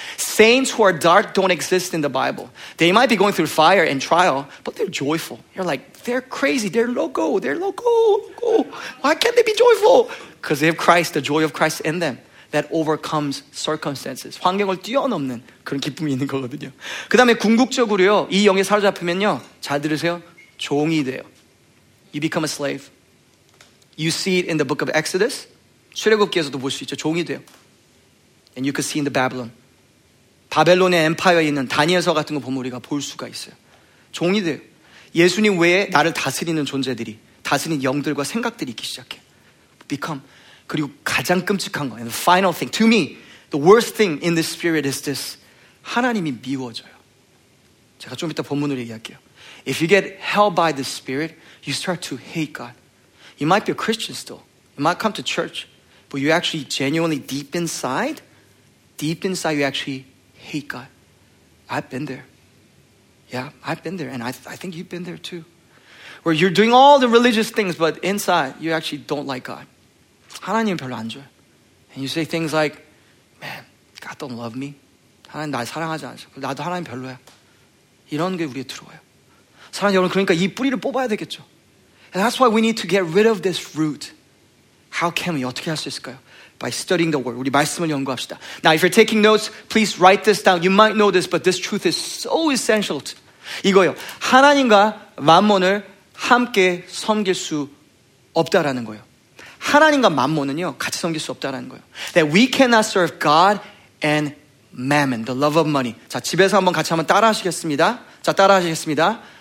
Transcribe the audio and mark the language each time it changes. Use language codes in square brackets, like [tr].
[en] Saints who are dark don't exist in the Bible. They might be going through fire and trial, but they're joyful. You're like, they're crazy. They're loco. They're loco. Why can't they be joyful? Because they have Christ, the joy of Christ in them that overcomes circumstances. [ko] 환경을 뛰어넘는 그런 기쁨이 있는 거거든요. 그 다음에 궁극적으로요, 이 영에 사로잡히면요, 잘 들으세요. 종이 돼요. [en] You become a slave. You see it in the book of Exodus. [ko] 출애굽기에서도 볼 수 있죠. 종이 돼요. [en] And you could see in the Babylon. [ko] 바벨론의 엠파이어에 있는 다니엘서 같은 거 보면 우리가 볼 수가 있어요. 종이 돼요. 예수님 외에 나를 다스리는 존재들이, 다스리는 영들과 생각들이 있기 시작해. Become. 그리고 가장 끔찍한 거. [en] And the final thing. To me, the worst thing in this spirit is this. [ko] 하나님이 미워져요. 제가 좀 이따 본문으로 얘기할게요. [en] If you get held by the spirit, you start to hate God. You might be a Christian still. You might come to church. But you actually genuinely deep inside, you actually hate God. I've been there. Yeah, I've been there. And I think you've been there too. Where you're doing all the religious things, but inside, you actually don't like God. [ko] 하나님 별로 안 좋아. [en] And you say things like, man, God don't love me. [ko] 하나님 나 사랑하지 않아. 나도 하나님 별로야. 이런 게 우리에 들어와요. 사랑하는 여러분, 그러니까 이 뿌리를 뽑아야 되겠죠. [en] And that's why we need to get rid of this root. How can we? [ko] 어떻게 할 수 있을까요? [en] By studying the word. [ko] 우리 말씀을 연구합시다. [en] Now, if you're taking notes, please write this down. You might know this, but this truth is so essential. [ko] 이거요. 하나님과 만몬을 함께 섬길 수 없다라는 거예요. 하나님과 만몬은요, 같이 섬길 수 없다라는 거예요. [en] That we cannot serve God and mammon, the love of money. [ko] 자, 집에서 한번 같이 한번 따라하시겠습니다. 자, 따라하시겠습니다.